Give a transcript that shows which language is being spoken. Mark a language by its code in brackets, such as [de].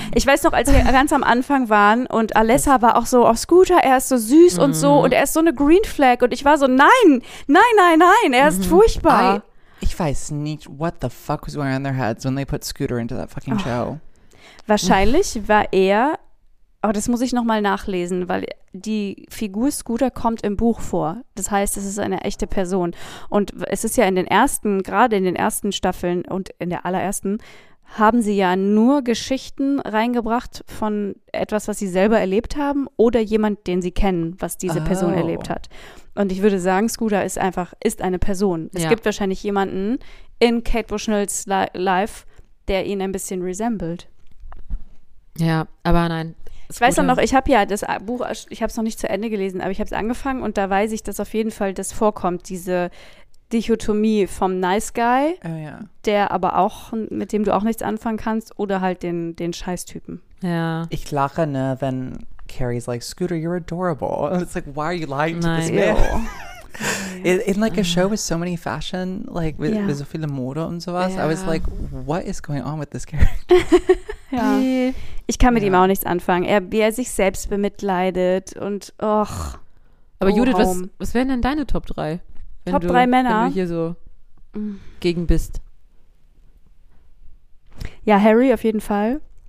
[de] Ich weiß noch, als wir ganz am Anfang waren und Alessa war auch so, oh Scooter, er ist so süß und so, und er ist so eine Green Flag, und ich war so, nein, er ist furchtbar. Ich weiß nicht, [en] what the fuck was going on in their heads when they put Scooter into that fucking show. [de] Wahrscheinlich war er, aber das muss ich nochmal nachlesen, weil die Figur Scooter kommt im Buch vor. Das heißt, es ist eine echte Person. Und es ist ja in den ersten, gerade in den ersten Staffeln und in der allerersten, haben sie ja nur Geschichten reingebracht von etwas, was sie selber erlebt haben oder jemand, den sie kennen, was diese Person erlebt hat. Und ich würde sagen, Scooter ist einfach, ist eine Person. Es gibt wahrscheinlich jemanden in Kate Bushnells Life, der ihn ein bisschen resembelt. Ja, aber nein. Ich weiß auch noch, ich habe ja das Buch, ich habe es noch nicht zu Ende gelesen, aber ich habe es angefangen und da weiß ich, dass auf jeden Fall das vorkommt, diese Dichotomie vom Nice Guy, der aber auch, mit dem du auch nichts anfangen kannst, oder halt den Scheißtypen. Ja. Ich lache, ne, wenn [en] Carrie's like, Scooter, you're adorable. And it's like, why are you lying to this man? In like a show with so many fashion, like with [de] so viele Mode und sowas, [en] I was like, what is going on with this character? [de] Ich kann mit ihm auch nichts anfangen. Er, wie er sich selbst bemitleidet und och. Aber Judith, was wären denn deine Top 3? Top 3 Männer? Wenn du hier so gegen bist. Ja, Harry auf jeden Fall.